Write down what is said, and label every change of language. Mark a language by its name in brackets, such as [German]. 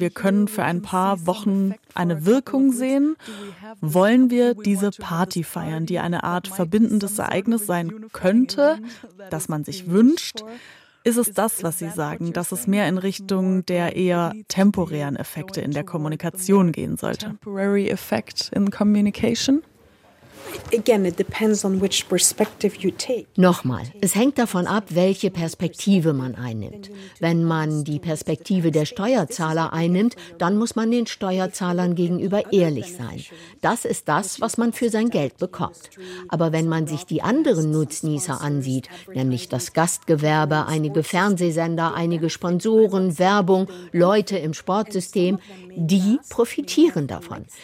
[German] Wir können für ein paar Wochen eine Wirkung sehen. Wollen wir diese Party feiern, die eine Art verbindendes Ereignis sein könnte, das man sich wünscht? Ist es das, was Sie sagen, dass es mehr in Richtung der eher temporären Effekte in der Kommunikation gehen sollte? [English] Temporary effect in communication? Again, it depends on which perspective you take. [German] Nochmal, es hängt davon ab, welche Perspektive man einnimmt. Wenn man die Perspektive der Steuerzahler einnimmt, dann muss man den Steuerzahlern gegenüber ehrlich sein. Das ist das, was man für sein Geld bekommt. Aber wenn man sich die anderen Nutznießer ansieht, nämlich das Gastgewerbe, einige Fernsehsender, einige Sponsoren, Werbung, Leute im Sportsystem, die profitieren davon.